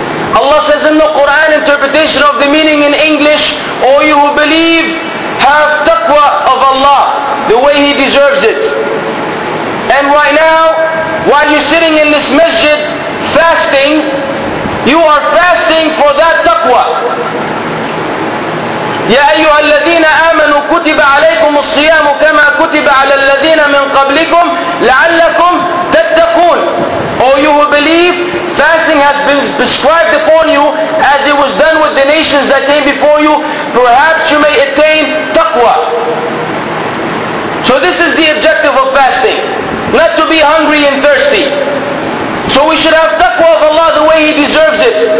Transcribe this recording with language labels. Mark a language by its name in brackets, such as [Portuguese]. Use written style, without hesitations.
[English] Allah says in the Quran, interpretation of the meaning in English, "O you who believe, have taqwa of Allah the way He deserves it." And right now, while you're sitting in this masjid fasting, you are fasting for that taqwa. [Arabic] يا أيها الذين آمنوا كتب عليكم الصيام كما كتب على الذين من قبلكم لعلكم تتقون. [English] O you who believe, fasting has been prescribed upon you as it was done with the nations that came before you. Perhaps you may attain taqwa. So this is the objective of fasting. Not to be hungry and thirsty. So we should have taqwa of Allah the way He deserves it.